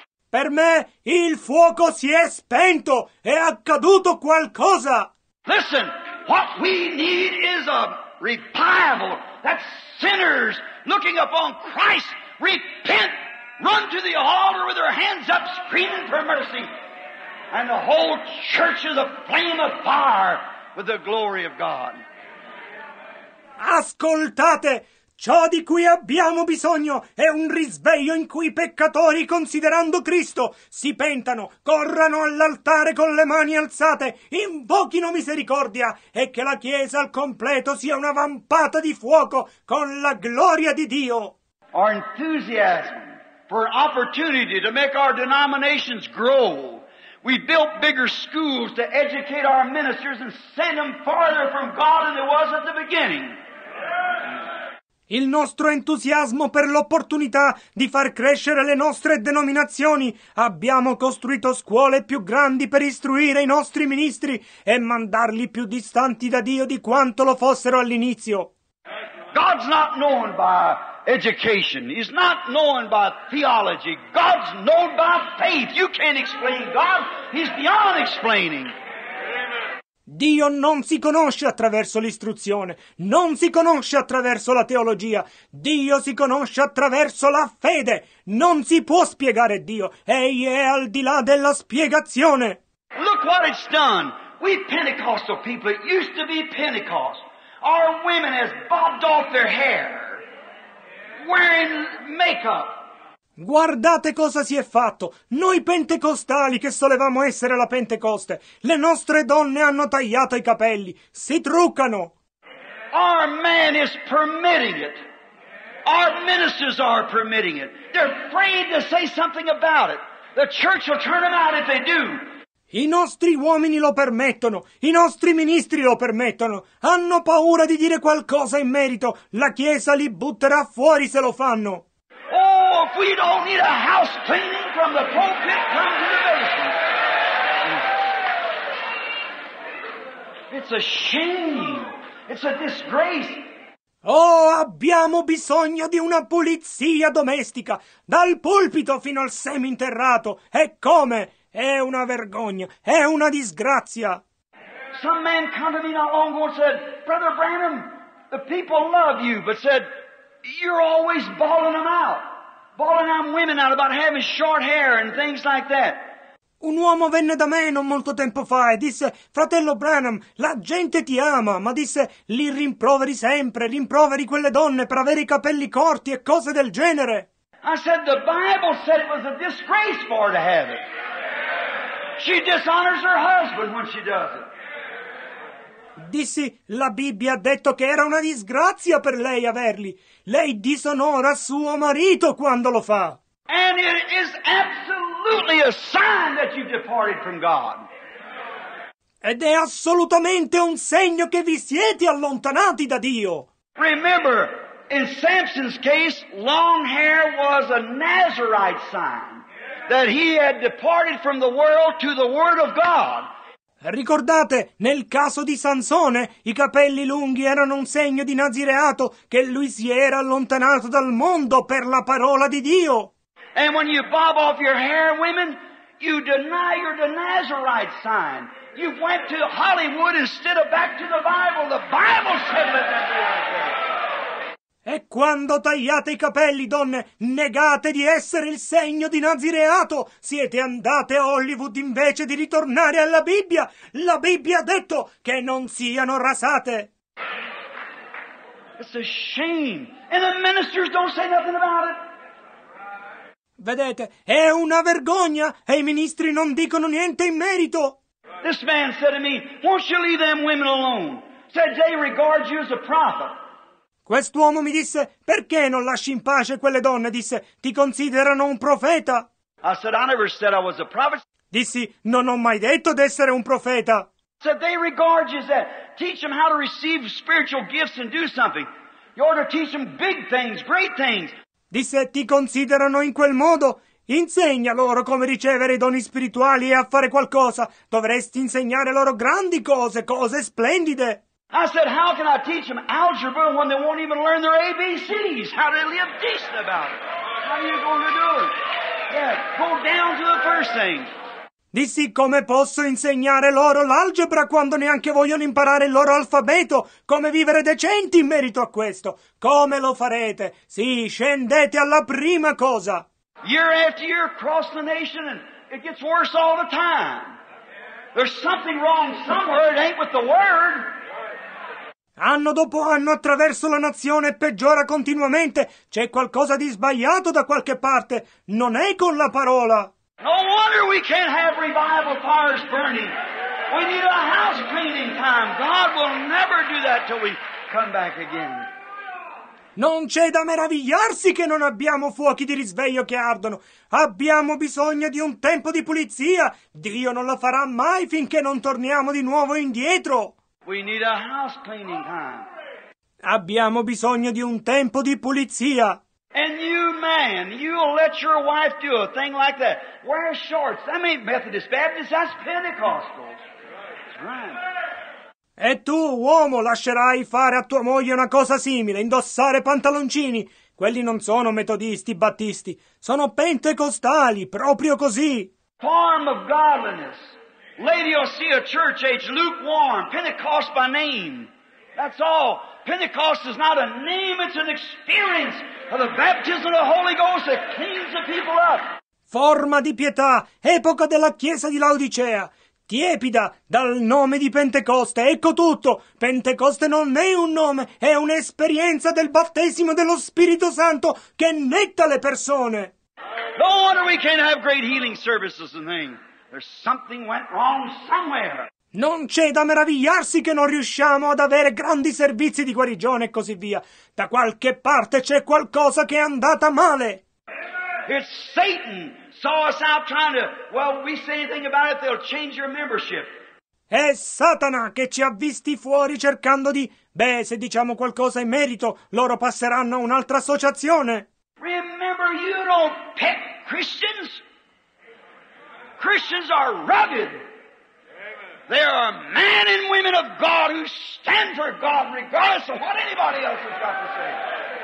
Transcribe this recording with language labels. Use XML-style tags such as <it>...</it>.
<it>Per me, il fuoco si è spento. È accaduto qualcosa.</it> <en>Listen. What we need is a revival that sinners looking upon Christ repent, run to the altar with their hands up screaming for mercy, and the whole church is a flame of fire with the glory of God.</en> <it>Ascoltate! Ciò di cui abbiamo bisogno è un risveglio in cui i peccatori, considerando Cristo, si pentano, corrano all'altare con le mani alzate, invochino misericordia e che la Chiesa al completo sia una vampata di fuoco con la gloria di Dio.</it> <en>Our enthusiasm for opportunity to make our denominations grow. We built bigger schools to educate our ministers and send them farther from God than there was at the beginning.</en> <it>Il nostro entusiasmo per l'opportunità di far crescere le nostre denominazioni. Abbiamo costruito scuole più grandi per istruire i nostri ministri e mandarli più distanti da Dio di quanto lo fossero all'inizio.</it> <en>God's not known by education. He's not known by theology. God's known by faith. You can't explain God. He's beyond explaining.</en> <it>Dio non si conosce attraverso l'istruzione, non si conosce attraverso la teologia, Dio si conosce attraverso la fede. Non si può spiegare Dio, Egli è al di là della spiegazione.</it> <en>Look what it's done. We Pentecostal people, it used to be Pentecost. Our women has bobbed off their hair, wearing makeup.</en> <it>Guardate cosa si è fatto. Noi pentecostali che solevamo essere la Pentecoste, le nostre donne hanno tagliato i capelli, si truccano.</it> <en>Our man is permitting it. Our ministers are permitting it. They're afraid to say something about it. The church will turn them out if they do.</en> <it>I nostri uomini lo permettono, i nostri ministri lo permettono. Hanno paura di dire qualcosa in merito. La Chiesa li butterà fuori se lo fanno.</it> <en>If we don't need a house cleaning from the pulpit, come to the basement. It's a shame. It's a disgrace.</en> <it>Oh, abbiamo bisogno di una pulizia domestica, dal pulpito fino al seminterrato. E come? È una vergogna. È una disgrazia.</it> <en>Some man came to me not long ago and said, Brother Branham, the people love you, but said, you're always bawling them out. Balling out women out about having short hair and things like that.</en> <it>Un uomo venne da me non molto tempo fa e disse, Fratello Branham, la gente ti ama, ma disse, li rimproveri sempre, rimproveri quelle donne per avere i capelli corti e cose del genere.</it> <en>I said, the Bible said it was a disgrace for her to have it. She dishonors her husband when she does it.</en> <it>Dissi, la Bibbia ha detto che era una disgrazia per lei averli. Lei disonora suo marito quando lo fa.</it> <en>And it is absolutely a sign that you've departed from God.</en> <it>Ed è assolutamente un segno che vi siete allontanati da Dio.</it> <en>Remember, in Samson's case, long hair was a Nazarite sign that he had departed from the world to the Word of God.</en> <it>Ricordate, nel caso di Sansone, i capelli lunghi erano un segno di nazireato che lui si era allontanato dal mondo per la parola di Dio.</it> <en>And when you bob off your hair, women, you deny your Nazarite sign. You went to Hollywood instead of back to the Bible. The Bible said that.</en> <it>E quando tagliate i capelli, donne, negate di essere il segno di Nazireato. Siete andate a Hollywood invece di ritornare alla Bibbia. La Bibbia ha detto che non siano rasate.</it> <en>It's a shame. And the ministers don't say nothing about it.</en> <it>Vedete, è una vergogna e i ministri non dicono niente in merito.</it> <en>This man said to me, won't you leave them women alone? Said they regard you as a prophet.</en> <it>Quest'uomo mi disse, perché non lasci in pace quelle donne? Disse, ti considerano un profeta.</it> <en>I said, I never said I was a prophet.</en> <it>Dissi, non ho mai detto di essere un profeta.</it> <en>Said, they regard you as that. Teach them how to receive spiritual gifts and do something. You ought to teach them big things, great things.</en> <it>Disse, ti considerano in quel modo. Insegna loro come ricevere i doni spirituali e a fare qualcosa. Dovresti insegnare loro grandi cose, cose splendide.</it> <en>I said, how can I teach them algebra when they won't even learn their ABCs? How do they live decent about it? How are you going to do it? Yeah, go down to the first thing.</en> <it>Dissi, come posso insegnare loro l'algebra quando neanche vogliono imparare il loro alfabeto? Come vivere decenti in merito a questo? Come lo farete? Sì, scendete alla prima cosa.</it> <en>Year after year across the nation and it gets worse all the time. There's something wrong somewhere. It ain't with the word.</en> <it>Anno dopo anno attraverso la nazione peggiora continuamente. C'è qualcosa di sbagliato da qualche parte. Non è con la parola.</it> <en>No wonder we can't have revival fires burning. We need a house cleaning time. God will never do that till we come back again.</en> <it>Non c'è da meravigliarsi che non abbiamo fuochi di risveglio che ardono. Abbiamo bisogno di un tempo di pulizia. Dio non la farà mai finché non torniamo di nuovo indietro.</it> <en>We need a house cleaning time.</en> <it>Abbiamo bisogno di un tempo di pulizia.</it> <en>And you man, you'll let your wife do a thing like that. Wear shorts. That ain't Methodist Baptist, that's Pentecostal. That's right.</en> <it>E tu, uomo, lascerai fare a tua moglie una cosa simile, indossare pantaloncini. Quelli non sono metodisti, battisti. Sono pentecostali, proprio così.</it> <en>Form of godliness. Lady, you'll see a church age lukewarm, Pentecost by name. That's all. Pentecost is not a name, it's an experience of the baptism of the Holy Ghost that cleans the people up.</en> <it>Forma di pietà, epoca della chiesa di Laodicea. Tiepida, dal nome di Pentecoste, ecco tutto. Pentecoste non è un nome, è un'esperienza del battesimo dello Spirito Santo che netta le persone.</it> <en>No wonder we can't have great healing services and things. There's something went wrong somewhere.</en> <it>Non c'è da meravigliarsi che non riusciamo ad avere grandi servizi di guarigione e così via. Da qualche parte c'è qualcosa che è andata male.</it> <en>It's Satan. Saw us out trying to, well, we say anything about it, they'll change your membership.</en> <it>È Satana che ci ha visti fuori cercando di, beh, se diciamo qualcosa in merito, loro passeranno a un'altra associazione.</it> <en>Remember, you don't pet Christians. Christians are rugged. They are men and women of God who stand for God regardless of what anybody else has got to say.</en>